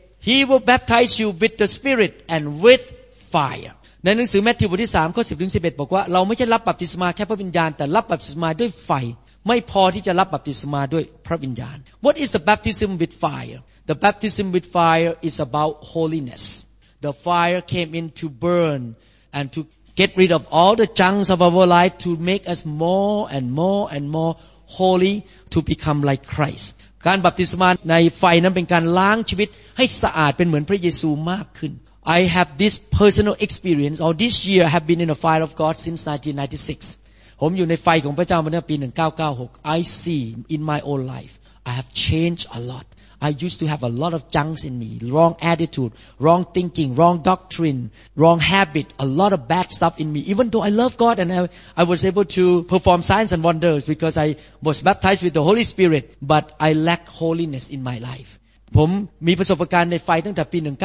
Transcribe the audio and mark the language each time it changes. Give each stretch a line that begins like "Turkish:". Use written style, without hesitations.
English: he will baptize you with the spirit and with fire
Thai: ในหนังสือมัทธิวบทที่3ข้อ10ถึง11บอกว่าเราไม่ใช่รับบัพติศมาแค่พระวิญญาณแต่รับบัพติศมาด้วยไฟไม่พอที่จะรับบัพติศมาด้วยพระวิญญาณ
English: What is the baptism with fire? The baptism with fire is about holiness. The fire came in to burn and to get rid of all the junks of our life to make us more and more and more holy to become like Christ.
Thai: การบัพติศมาในไฟนั้นเป็นการล้างชีวิตให้สะอาดเป็นเหมือนพระเยซูมากขึ้น
English: I have this personal experience or this year have been in the fire of God since 1996.
Thai: ผมอยู่ในไฟของพระเจ้ามาตั้งแต่ปี1996
English: I see in my own life I have changed a lot I used to have a lot of junks in me wrong attitude wrong thinking wrong doctrine wrong habit a lot of bad stuff in me even though I love God and I was able to perform signs and wonders because I was baptized with the Holy Spirit but I lack holiness in my life
Thai: ผมมีประสบการณ์ในไฟตั้งแต่ปี